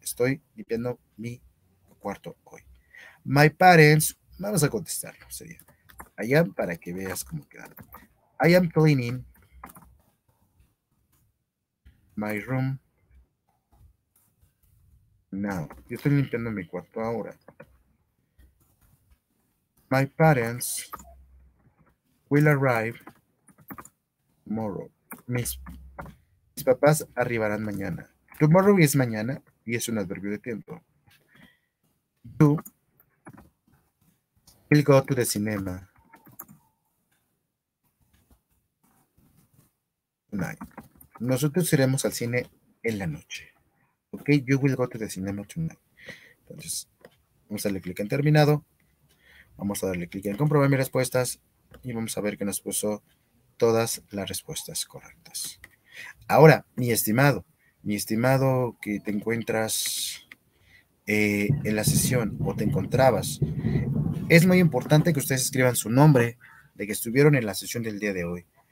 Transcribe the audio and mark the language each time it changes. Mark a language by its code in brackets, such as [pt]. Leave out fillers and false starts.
[es] Estoy limpiando mi cuarto hoy. [en] My parents, [es] vamos a contestarlo. Sería, [en] I am, [es] para que veas cómo queda. [en] I am cleaning my room. [es] No, yo estoy limpiando mi cuarto ahora. [en] My parents will arrive tomorrow. [es] Mis papás arribarán mañana. Tomorrow es mañana y es un adverbio de tiempo. [en] You will go to the cinema tonight. [es] Nosotros iremos al cine en la noche. Ok, [en] you will go to the cinema tonight. [es] Entonces, vamos a darle clic en terminado. Vamos a darle clic en comprobar mis respuestas. Y vamos a ver que nos puso todas las respuestas correctas. Ahora, mi estimado que te encuentras en la sesión o te encontrabas, es muy importante que ustedes escriban su nombre de que estuvieron en la sesión del día de hoy.